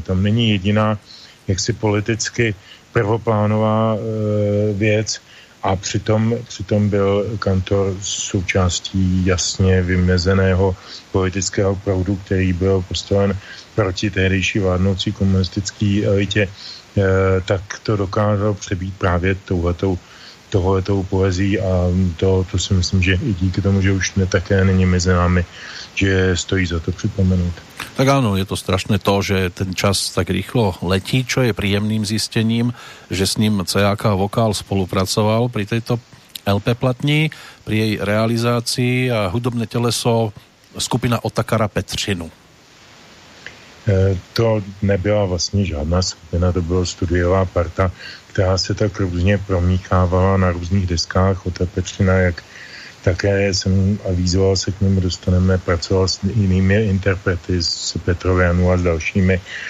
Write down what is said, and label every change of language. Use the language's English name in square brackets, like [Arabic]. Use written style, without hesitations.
[Czech] Tam není jediná jaksi politicky prvoplánová věc, a přitom byl Kantor součástí jasně vymezeného politického proudu, který byl postaven proti tehdejší vládnoucí komunistické elitě, tak to dokázal přebít právě tohletou poezí a to si myslím, že i díky tomu, že už také není mezi námi, že stojí za to připomenout. [Slovak] Tak áno, je to strašné to, že ten čas tak rýchlo letí, čo je príjemným zistením, že s ním CAK Vokál spolupracoval pri tejto LP platni, pri jej realizácii a hudobné teleso skupina Otakara Petřinu. [Czech] To nebyla vlastně žádná skupina, to byla studiová parta, která se tak různě promíchávala na různých deskách od Petřina, jak také jsem avizoval, se k němu dostaneme, pracoval s jinými interprety, s Petrovianu a s dalšími.